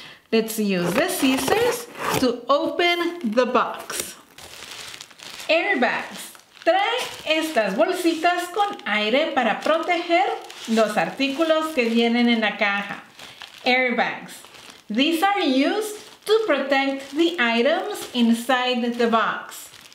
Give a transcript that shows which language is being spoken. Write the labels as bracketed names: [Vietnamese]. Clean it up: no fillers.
[English] Let's use the scissors to open the box. Airbags. [Spanish] Trae estas bolsitas con aire para proteger los artículos que vienen en la caja. [English] Airbags. These are used to protect the items inside the box.